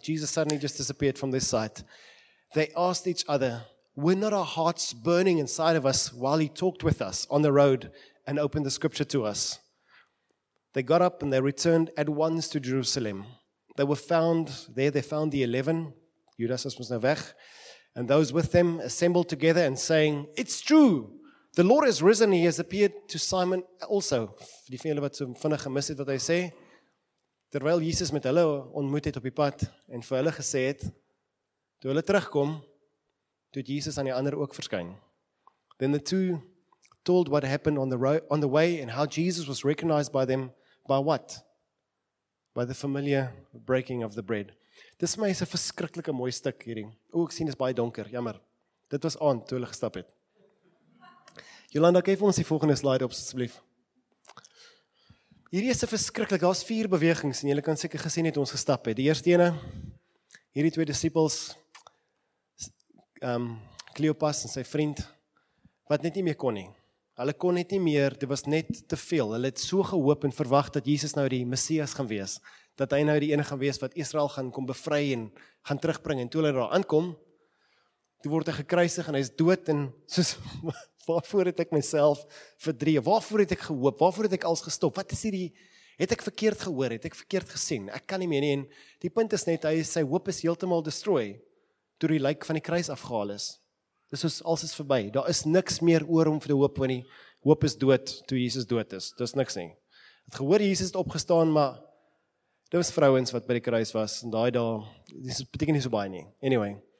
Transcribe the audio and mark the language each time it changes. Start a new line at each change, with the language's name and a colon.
English: Jesus suddenly just disappeared from their sight. They asked each other, "Were not our hearts burning inside of us while he talked with us on the road and opened the scripture to us?" They got up and they returned at once to Jerusalem. They were found there. They found the 11. Judas was now weg. And those with them assembled together and saying, "It's true. The Lord has risen. He has appeared to Simon also."
Afrikaans: Die vir julle wat so vinnig gemis het wat hy sê. Terwyl Jesus met hulle ontmoet het op die pad en vir hulle gesê het, toe hulle terugkom, toe Jesus aan die ander ook verskyn.
English: Then the two told what happened on the way and how Jesus was recognized by them. By what? By the familiar breaking of the bread.
Afrikaans: Dis my is 'n verskriklike mooi stuk hierdie. O, ek sien is baie donker, jammer. Dit was aand toe hulle gestap het. Jolanda, gee vir ons die volgende slide op, asseblief. Hierdie is 'n verskriklike, daar's 4 bewegings, en julle kan seker gesien het ons gestap het. Die eerste ene, hierdie 2 disippels, Kleopas en sy vriend, wat net nie meer kon nie. Hulle kon net nie meer, dit was net te veel. Hulle het so gehoop en verwag dat Jesus nou die Messias gaan wees. Dat hy nou die ene gaan wees wat Israel gaan kom bevry en gaan terugbring. En toe hulle daar aankom, toe word hy gekruisig en hy is dood. En soos, waarvoor het ek myself verdreef? Waarvoor het ek gehoop? Waarvoor het ek alles gestop? Wat is hierdie, het ek verkeerd gehoor? Het ek verkeerd gesien? Ek kan nie meer nie. En die punt is net, sy hoop is heeltemal destroy toe die lijk van die kruis afgehaal is. Dis is, alles is verby. Daar is niks meer oor om vir die hoop, want die hoop is dood, toe Jesus dood is. Dis niks nie. Het gehoor, Jesus het opgestaan, maar dit was vrouwens wat by die kruis was, en daai daar, dit beteken nie so baie nie. Anyway.